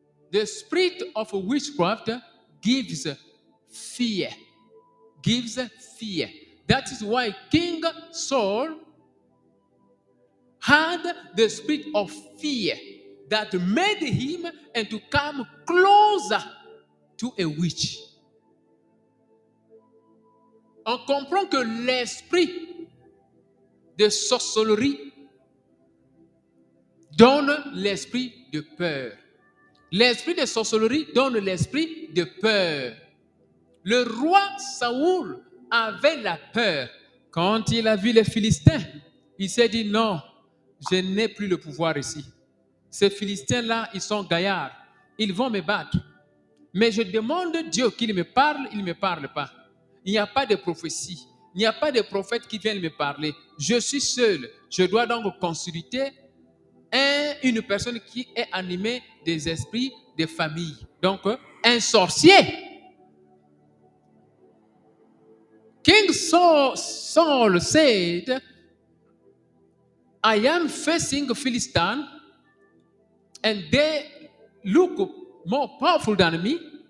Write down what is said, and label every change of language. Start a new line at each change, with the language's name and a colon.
English: The spirit of witchcraft gives fear. That is why King Saul had the spirit of fear that made him and to come closer to a witch.
French: On comprend que l'esprit de sorcellerie donne l'esprit de peur. L'esprit de sorcellerie donne l'esprit de peur. Le roi Saoul avait la peur. Quand il a vu les Philistins, il s'est dit, non, je n'ai plus le pouvoir ici. Ces Philistins-là, ils sont gaillards. Ils vont me battre. Mais je demande Dieu qu'il me parle, il ne me parle pas. Il n'y a pas de prophétie. Il n'y a pas de prophète qui vienne me parler. Je suis seul. Je dois donc consulter une personne qui est animée des esprits de famille. Donc, un sorcier.
English: King Saul said, I am facing Philistine and they look more powerful than me.